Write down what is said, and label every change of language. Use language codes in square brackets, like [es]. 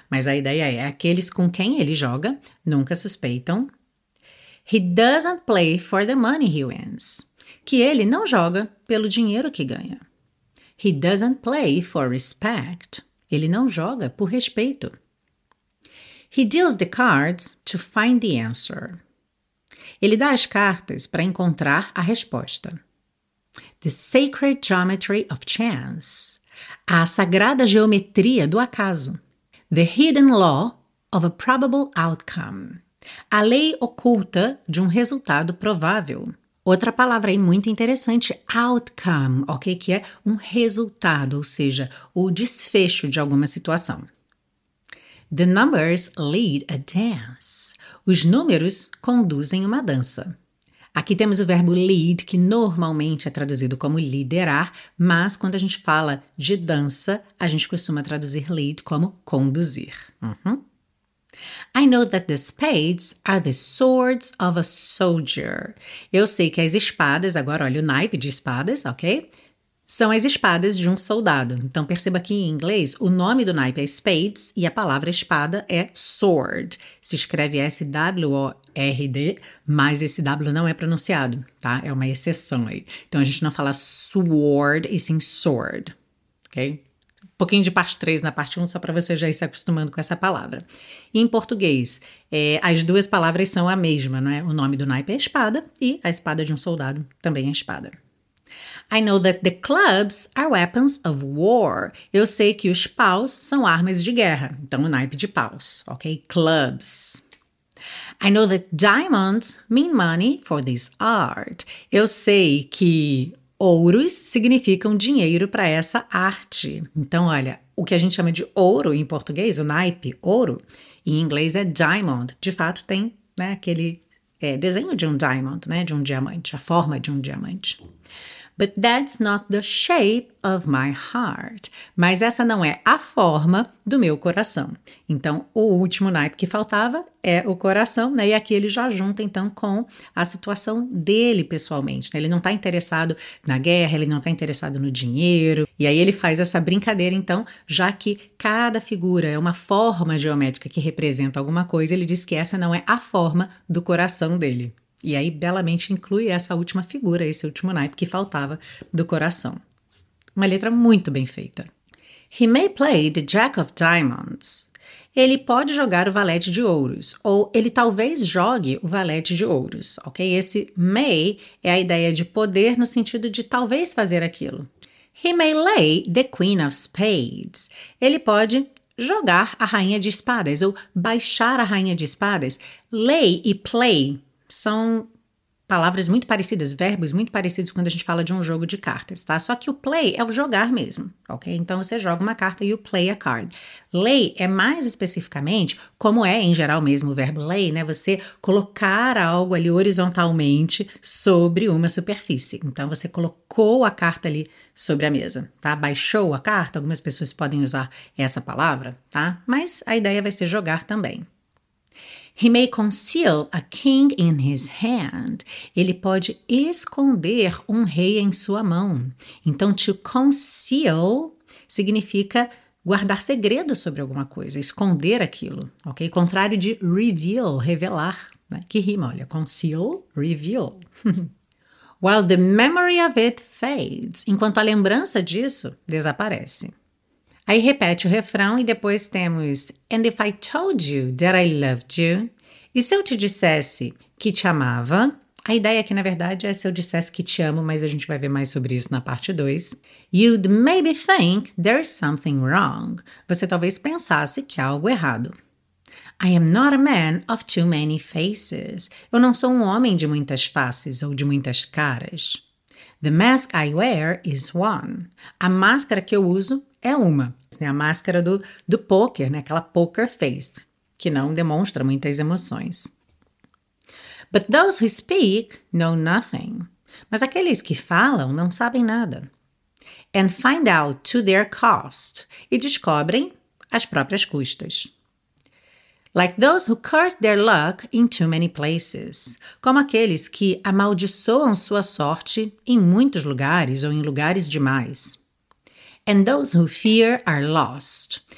[pt] Mas a ideia é aqueles com quem ele joga nunca suspeitam. [en] He doesn't play for the money he wins, [pt] que ele não joga pelo dinheiro que ganha. [en] He doesn't play for respect, [pt] ele não joga por respeito. [en] He deals the cards to find the answer. [pt] Ele dá as cartas para encontrar a resposta. [en] The sacred geometry of chance. [pt] A sagrada geometria do acaso. [en] The hidden law of a probable outcome. [pt] A lei oculta de um resultado provável. Outra palavra aí muito interessante, outcome, ok? Que é um resultado, ou seja, o desfecho de alguma situação. [en] The numbers lead a dance. [pt] Os números conduzem uma dança. Aqui temos o verbo lead, que normalmente é traduzido como liderar, mas quando a gente fala de dança, a gente costuma traduzir lead como conduzir. [en] I know that the spades are the swords of a soldier. [pt] Eu sei que as espadas, agora olha o naipe de espadas, ok? São as espadas de um soldado. Então, perceba que em inglês, o nome do naipe é spades e a palavra espada é sword. Se escreve S-W-O-R-D, mas esse W não é pronunciado, tá? É uma exceção aí. Então, a gente não fala sword e sim sword, ok? Um pouquinho de parte 3 na parte 1, só para você já ir se acostumando com essa palavra. Em português, as duas palavras são a mesma, não é? O nome do naipe é espada e a espada de um soldado também é espada. [en] I know that the clubs are weapons of war. [pt] Eu sei que os paus são armas de guerra. Então, o naipe de paus, ok? Clubs. [en] I know that diamonds mean money for this art. [pt] Eu sei que ouros significam dinheiro para essa arte. Então, olha, o que a gente chama de ouro em português, o naipe, ouro, Em inglês é diamond. De fato, tem, né, aquele desenho de um diamond, né, de um diamante, a forma de um diamante. [en] But that's not the shape of my heart. [pt] Mas essa não é a forma do meu coração. Então, o último naipe que faltava é o coração, né? E aqui ele já junta, então, com a situação dele pessoalmente, né? Ele não está interessado na guerra, ele não está interessado no dinheiro. E aí ele faz essa brincadeira, então, já que cada figura é uma forma geométrica que representa alguma coisa, ele diz que essa não é a forma do coração dele. E aí, belamente inclui essa última figura, esse último naipe que faltava do coração. Uma letra muito bem feita. [en] He may play the Jack of Diamonds. [pt] Ele pode jogar o valete de ouros, ou ele talvez jogue o valete de ouros, ok? Esse may é a ideia de poder no sentido de talvez fazer aquilo. [en] He may lay the Queen of Spades. [pt] Ele pode jogar a rainha de espadas, ou baixar a rainha de espadas. Lay e play são palavras muito parecidas, verbos muito parecidos quando a gente fala de um jogo de cartas, tá? Só que o play é o jogar mesmo, ok? Então você joga uma carta e [en] you play a card. [pt] Lay é mais especificamente, como é em geral mesmo o verbo lay, né? Você colocar algo ali horizontalmente sobre uma superfície. Então você colocou a carta ali sobre a mesa, tá? Baixou a carta, algumas pessoas podem usar essa palavra, tá? Mas a ideia vai ser jogar também. [en] He may conceal a king in his hand. [pt] Ele pode esconder um rei em sua mão. Então, to conceal significa guardar segredo sobre alguma coisa, esconder aquilo, ok? Contrário de reveal, revelar, né? Que rima, olha, conceal, reveal. [en] While the memory of it fades, [pt] enquanto a lembrança disso desaparece. Aí repete o refrão e depois temos [en] And if I told you that I loved you? [pt] E se eu te dissesse que te amava? A ideia aqui, na verdade, é se eu dissesse que te amo, mas a gente vai ver mais sobre isso na parte 2. [en] You'd maybe think there's something wrong. [pt] Você talvez pensasse que há algo errado. [en] I am not a man of too many faces. [pt] Eu não sou um homem de muitas faces ou de muitas caras. [en] The mask I wear is one. [pt] A máscara que eu uso é uma. É a máscara do poker, né? Aquela poker face, que não demonstra muitas emoções. [en] But those who speak know nothing. [pt] Mas aqueles que falam não sabem nada. [en] And find out to their cost. [pt] E descobrem às próprias custas. [en] Like those who curse their luck in too many places. [pt] Como aqueles que amaldiçoam sua sorte em muitos lugares ou em lugares demais. [en] And those who fear are lost.